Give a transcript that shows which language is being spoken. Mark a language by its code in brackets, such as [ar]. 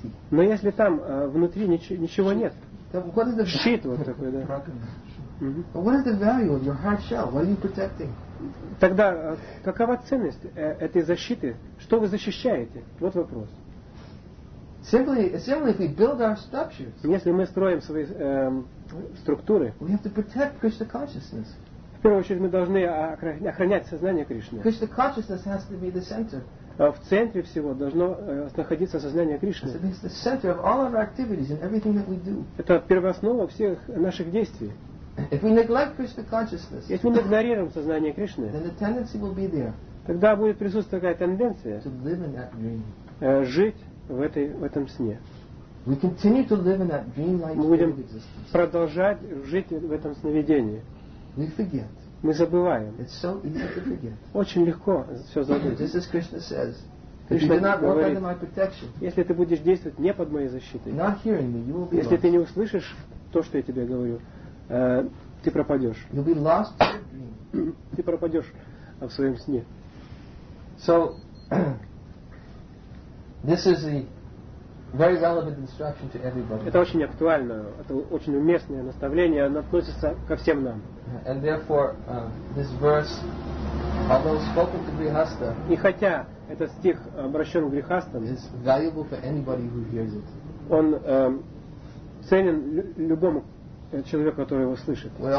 [ru] Но если там внутри ничего нет, щит вот такой, да. [en] But what is the value of your hard shell? What are you protecting? [ru] Тогда какова ценность этой защиты? Что вы защищаете? Вот вопрос. [en] Simply if we build our structures. [ru] Если мы строим свои структуры. [en] We have to protect Krishna consciousness. [ru] В первую очередь мы должны охранять сознание Кришны. [en] Krishna consciousness has to be the center. [ru] В центре всего должно находиться сознание Кришны. [en] So it's the center of all our activities and everything that we do. [ru] Это первооснова всех наших действий. [en] If we neglect Krishna consciousness, [ru] если мы игнорируем сознание Кришны, [en] then the tendency will be there, [ru] тогда будет присутствовать такая тенденция [en] to live in that dream. [ru] Жить в этом сне. [en] We continue to live in that dream-like [ru] мы будем existence. Продолжать жить в этом сновидении. [en] We forget. [ru] Мы забываем. [en] It's so easy to forget. [ru] Очень легко все забыть. [en] Just as Krishna says, Krishna [ru] говорит, если ты будешь действовать не под моей защитой, [en] not hearing me, you will be [ru] если ты не услышишь то, что я тебе говорю, ты пропадешь. [en] You'll be lost in your dream. [ru] Ты пропадешь в своем сне. [en] So, this is a very relevant instruction to everybody. [ru] Это очень актуально, это очень уместное наставление, оно относится ко всем нам. [en] And therefore, this verse, although spoken to Grihastha, [ru] и хотя этот стих обращен к грихастам, [en] is valuable for anybody who hears it. [ru] Он ценен любому человек, который его слышит.